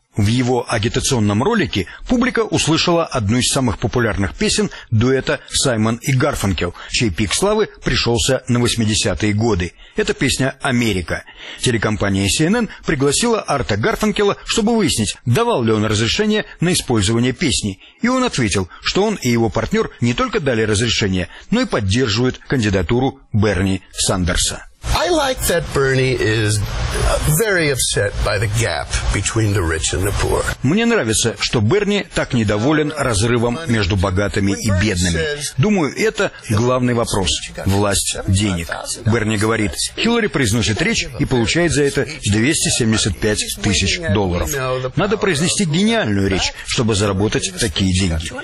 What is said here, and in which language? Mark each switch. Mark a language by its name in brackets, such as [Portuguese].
[Russian] В его агитационном ролике публика услышала одну из самых популярных песен дуэта «Саймон и Гарфанкел», чей пик славы пришелся на 80-е годы. Это песня «Америка». Телекомпания CNN пригласила Арта Гарфанкела, чтобы выяснить, давал ли он разрешение на использование песни. И он ответил, что он и его партнер не только дали разрешение, но и поддерживают кандидатуру Берни Сандерса. [English] I like that Bernie is very upset by the gap between the rich and the poor. [Russian] Мне нравится, что Берни так недоволен разрывом между богатыми и бедными. Думаю, это главный вопрос – власть денег. Берни говорит, Хиллари произносит речь и получает за это 275 тысяч долларов. Надо произнести гениальную речь, чтобы заработать такие деньги.